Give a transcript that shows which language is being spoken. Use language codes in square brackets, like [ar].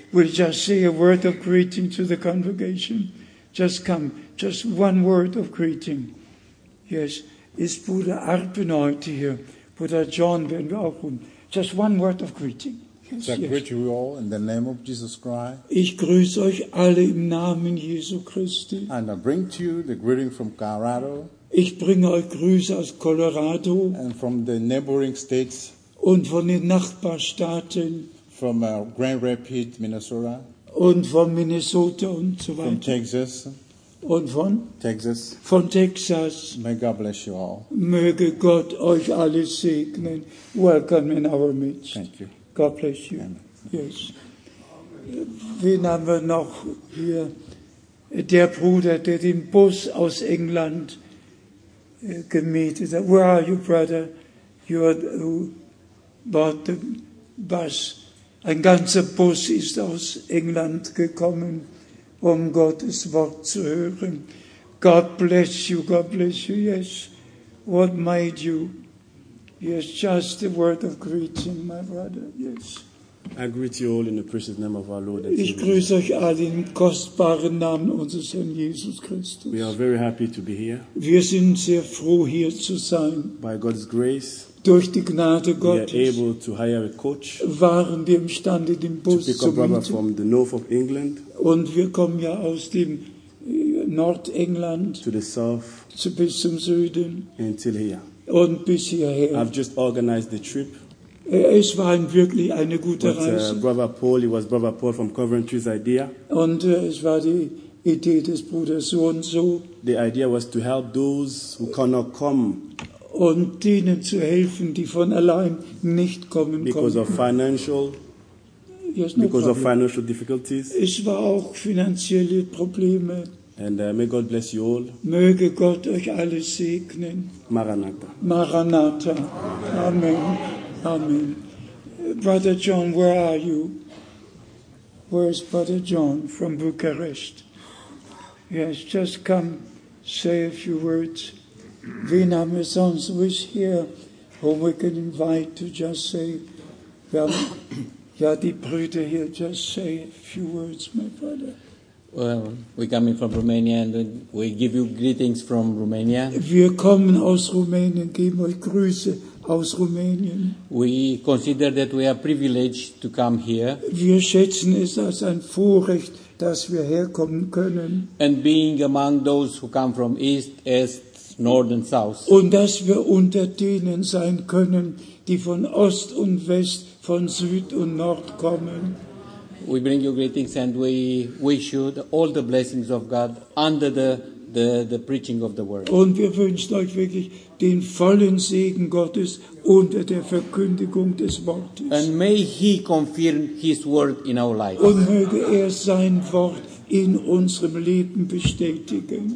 [en] We'll just say a word of greeting to the congregation. Just come. Just one word of greeting. Yes. [de] Ist Bruder Arpen heute hier? Bruder John, werden wir auch rufen. [en] Just one word of greeting. Yes, so I greet you all in the name of Jesus Christ. [de] Ich grüße euch alle im Namen Jesu Christi. [en] And I bring to you the greeting from Colorado. [de] Ich bringe euch Grüße aus Colorado. [en] And from the neighboring states. [de] Und von den Nachbarstaaten. [en] From Grand Rapids, Minnesota. [de] Und von Minnesota und so weiter. [en] From Texas. [de] Und von? [en] Texas. [de] Von Texas. [en] May God bless you all. [de] Möge Gott euch alle segnen. [en] Welcome in our midst. Thank you. God bless you. Amen. [de] Yes. Wen haben wir noch hier? Der Bruder, der den Bus aus England gemietet hat. [en] Where are you, brother? You are bought the bus. [de] Ein ganzer Bus ist aus England gekommen, um Gottes Wort zu hören. [en] God bless you, God bless you. Yes, what made you? Yes, just a word of greeting, my brother. Yes. I greet you all in the precious name of our Lord. [de] Ich grüße euch alle im kostbaren Namen unseres Herrn Jesus Christus. [en] We are very happy to be here. [de] Wir sind sehr froh, hier zu sein. [en] By God's grace. [de] Durch die Gnade Gottes [en] we are able to hire a coach, [de] waren wir imstande, den Bus zu mieten. Und wir kommen ja aus dem Nordengland [en] to the south, [de] zu bis zum Süden [en] until here. [de] Und bis hierher. [en] I've just organized the trip. [de] Es war wirklich eine gute [en] But, [de] Reise. [en] Brother Paul, it was Brother Paul from Coventry's idea. [de] Und es war die Idee des Bruders so und so. [en] The idea was to help those who cannot come. [de] Und denen zu helfen, die von allein nicht kommen [en] because [de] konnten. [en] Of financial, yes, no because problem. Of financial difficulties. [de] Es war auch finanzielle Probleme. [en] And may God bless you all. [de] Möge Gott euch alle segnen. [en] Maranatha. Maranatha. Amen. Amen. Brother John, where are you? Where is Brother John from Bucharest? Yes, just come, say a few words. [de] Wen haben wir sonst? [en] Who is here? Whom we can invite to just say, well, [de] ja, die Brüder hier, [en] just say a few words, my brother. Well, we're coming from Romania and we give you greetings from Romania. [de] Wir kommen aus Rumänien, geben euch Grüße aus Rumänien. [en] We consider that we are privileged to come here. [de] Wir schätzen es als ein Vorrecht, dass wir herkommen können. [en] And being among those who come from East, East, North and South. [de] Und dass wir unter denen sein können, die von Ost und West, von Süd und Nord kommen. [en] We bring you greetings and we wish you all the blessings of God under the preaching of the word. [de] Und wir wünschen euch wirklich den vollen Segen Gottes unter der Verkündigung des Wortes. [en] And may He confirm His word in our lives. [de] Und möge er sein Wort in unserem Leben bestätigen.